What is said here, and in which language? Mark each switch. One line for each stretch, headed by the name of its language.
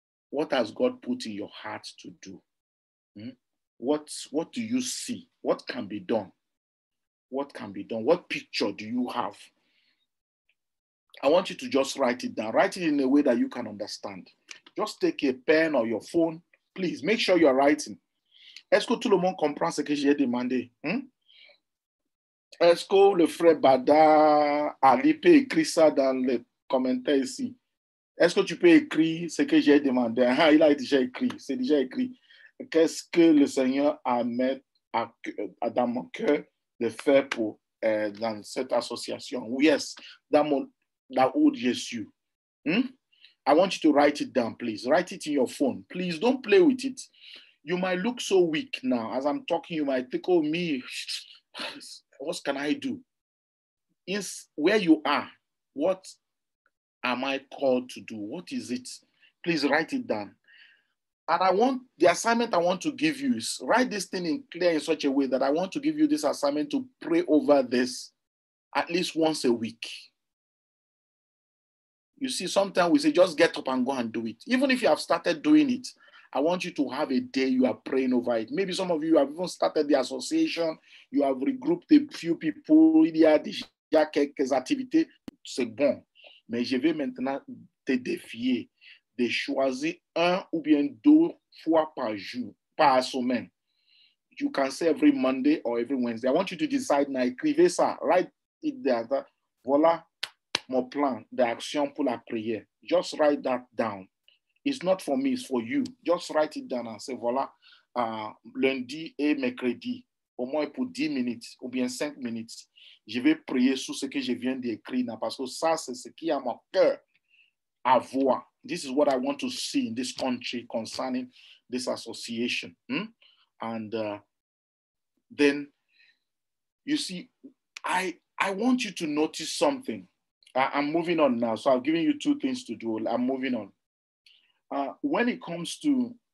English: What has God put in your heart to do? What do you see? What can be done? What can be done? What picture do you have? I want you to just write it down. Write it in a way that you can understand. Just take a pen or your phone. Please make sure you're writing.
French: Est-ce que tout le monde comprend ce que j'ai demandé? Est-ce que le frère Bada Ali peut écrire ça dans les commentaires ici? Est-ce que tu peux écrire ce que j'ai demandé? Il a déjà écrit, c'est déjà écrit. Qu'est-ce que le Seigneur a mis dans mon cœur de faire pour dans cette association? Yes, dans où je suis.
English: I want you to write it down, please. Write it in your phone. Please don't play with it. You might look so weak now. As I'm talking, you might think, oh, me, what can I do? Is where you are, what am I called to do? What is it? Please write it down. And I want, the assignment I want to give you is, write this thing in clear in such a way that I want to give you this assignment to pray over this at least once a week. You see, sometimes we say, just get up and go and do it. Even if you have started doing it, I want you to have a day you are praying over it. Maybe some of you have even started the association. You have regrouped a few people.
French: Il y a déjà quelques activités. C'est bon. Mais je vais maintenant te défier de choisir un ou bien deux fois par jour, par semaine.
English: You can say every Monday or every Wednesday. I want you to decide now.
French: Écrivez ça.
English: Write it there.
French: Voilà mon plan d'action pour la prière.
English: Just write that down. It's not for me, it's for you. Just write it down and say,
French: voilà, lundi et mercredi, au moins pour 10 minutes ou bien 5 minutes, je vais prier sur ce que je viens d'écrire, non? Parce que ça, c'est ce qui a mon cœur à voir.
English: This is what I want to see in this country concerning this association. Then, you see, I want you to notice something. I'm moving on now, so I've given you two things to do. I'm moving on. When it comes to